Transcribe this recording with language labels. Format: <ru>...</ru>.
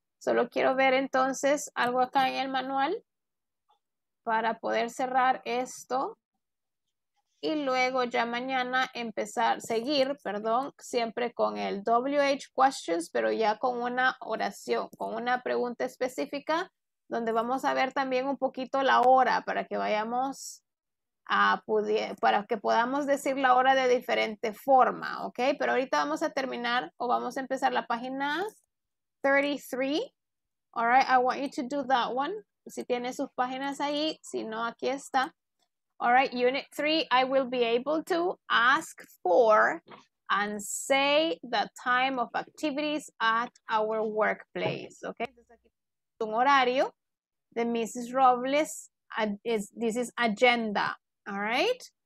<es>Solo quiero ver entonces algo acá en el manual para poder cerrar esto y luego ya mañana empezar, seguir, perdón, siempre con el WH questions, pero ya con una oración, con una pregunta específica, donde vamos a ver también un poquito la hora para que vayamos a para que podamos decir la hora de diferente forma, ¿ok? Pero ahorita vamos a terminar o vamos a empezar la página 33.</es> <en>All right, I want you to do that one.</en> <es>Si tiene sus páginas ahí, si no, aquí está.</es> <en>All right, unit 3, I will be able to ask for and say the time of activities at our workplace, ¿ok?</en> <es>Entonces aquí es un horario.</es> <en>The Mrs. Robles, this is agenda, all right?</en>